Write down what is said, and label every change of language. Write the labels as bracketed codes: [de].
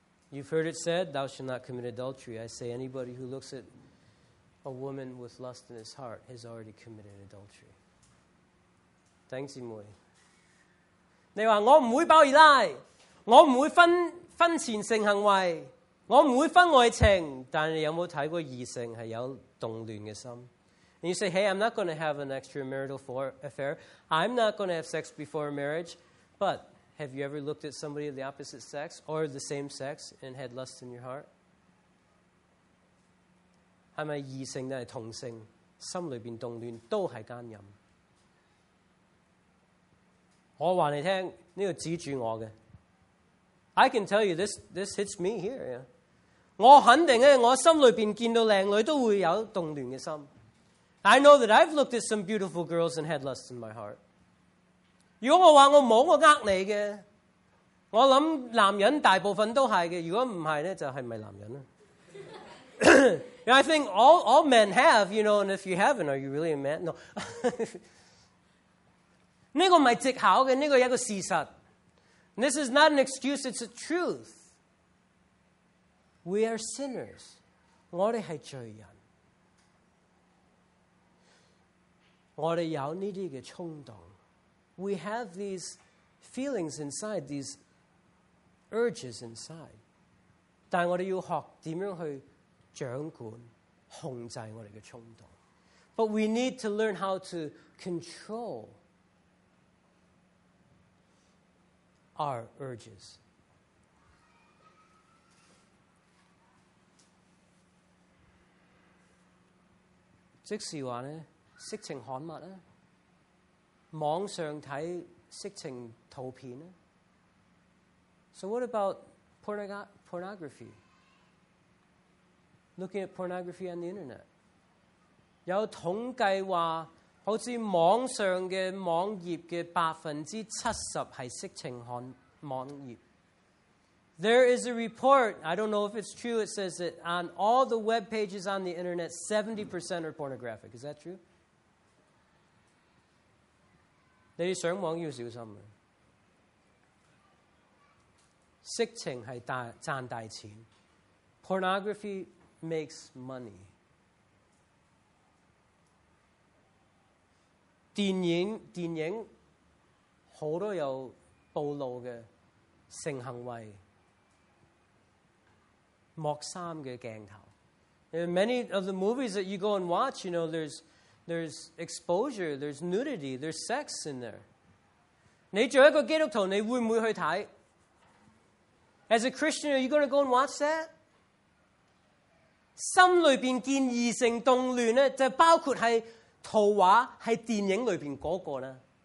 [en] You've heard it said, thou shalt not commit adultery. I say anybody who looks at a woman with lust in his heart has already committed adultery. [yue] 弟兄姊妹，你说我不会包二奶，我不会婚前性行为，我不会婚外情，但你有没有看过异性是有动乱的心？ [en] And you say, hey, I'm not going to have an extramarital affair. I'm not going to have sex before marriage. But have you ever looked at somebody of the opposite sex or the same sex and had lust in your heart? [yue] 是不是異性還是同性心裏面動亂都是奸淫？我告訴你，這個指著我的。 [en] I can tell you this hits me here, yeah. [yue] 我肯定我心裏面見到靚女都會有動亂的心。 [en] I know that I've looked at some beautiful girls and had lust in my heart. [yue] 如果我說我沒有，我騙你的。我想男人大部分都是的，如果不是就是不是男人。 [en] And I think all men have, you know, and if you haven't, are you really a man? No. [yue] 这个不是藉口的，这个是一个事实。 [en] This is not an excuse, it's a truth. We are sinners. [yue] 我们是罪人。我们有这些冲动。 [en] We have these feelings inside, these urges inside. [yue] 但我们要学怎样去掌管控制我们的冲动。 But we need to learn how to control our urges. 即是说呢，色情刊物呢，网上看色情图片呢。 [en] So what about pornography? Looking at pornography on the internet. [yue] 有统计说好似網上嘅網頁嘅70%係色情看網頁。 [en] There is a report, I don't know if it's true, it says that on all the web pages on the internet, 70% are pornographic. Is that true? [yue] 你哋上網要小心啊！色情係大賺大錢 ， [en] pornography makes money。 [yue] 電影好多有暴露嘅性行為，莫衫嘅鏡頭。 [en] And many of the movies that you go and watch, you know, there's exposure, there's nudity, there's sex in there. [yue] 你做一個基督徒，你會唔會去睇？ [en] As a Christian, are you going to go and watch that? [yue] 心里边见异性动乱呢，就包括系图画喺电影里边嗰个啦。